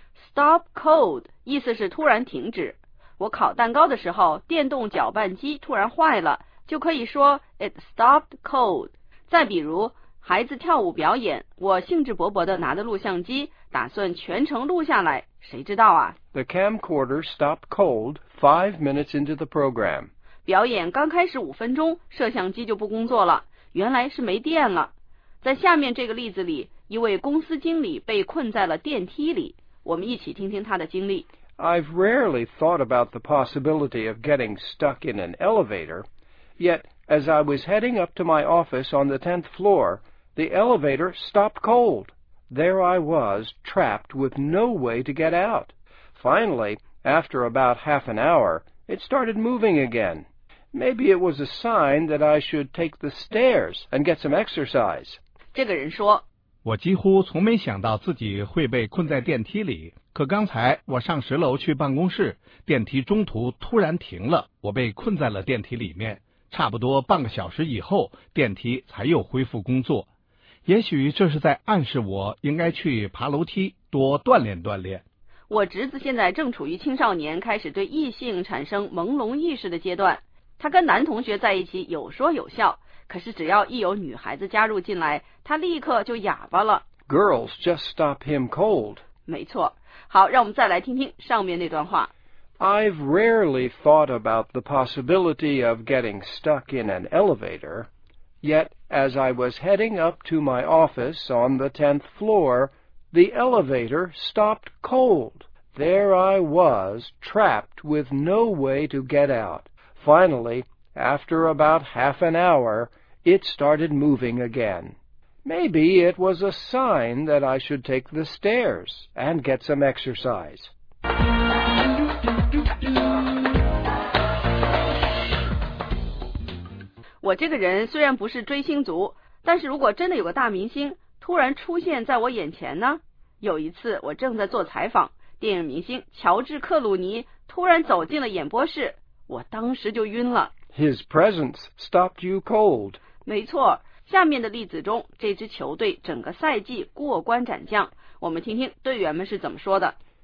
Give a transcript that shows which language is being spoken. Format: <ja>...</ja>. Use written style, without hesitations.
<zh>Stop cold 意思是突然停止，我烤蛋糕的时候电动搅拌机突然坏了，就可以说</zh> <en>it stopped cold.</en> <zh>再比如孩子跳舞表演，我兴致勃勃地拿着录像机打算全程录下来，谁知道啊</zh> <en>The camcorder stopped cold 5 minutes into the program.</en> <zh>表演刚开始五分钟摄像机就不工作了，原来是没电了。在下面这个例子里，一位公司经理被困在了电梯里，我们一起听听他的经历。</zh> <en>I've rarely thought about the possibility of getting stuck in an elevator, yet as I was heading up to my office on the 10th floor, the elevator stopped cold. There I was, trapped with no way to get out. Finally, after about half an hour, it started moving again. Maybe it was a sign that I should take the stairs and get some exercise.</en> <zh>这个人说，我几乎从没想到自己会被困在电梯里，可刚才我上十楼去办公室，电梯中途突然停了，我被困在了电梯里面。差不多半个小时以后，电梯才又恢复工作。也许这是在暗示我应该去爬楼梯，多锻炼锻炼。我侄子现在正处于青少年开始对异性产生朦胧意识的阶段，他跟男同学在一起有说有笑，可是只要一有女孩子加入进来，他立刻就哑巴了。</zh> <en>Girls just stop him cold.</en> <zh>没错。好，让我们再来听听上面那段话。</zh> <en>I've rarely thought about the possibility of getting stuck in an elevator, yet as I was heading up to my office on the 10th floor, the elevator stopped cold. There I was, trapped with no way to get out. Finally, after about half an hour, it started moving again. Maybe it was a sign that I should take the stairs and get some exercise.</en> <zh>我这个人虽然不是追星族，但是如果真的有个大明星突然出现在我眼前呢？有一次我正在做采访，电影明星乔治·克鲁尼突然走进了演播室，我当时就晕了。</zh> <en>His presence stopped you cold.</en> <zh>没错，下面的例子中，这支球队整个赛季过关斩将，我们听听队员们是怎么说的。</zh>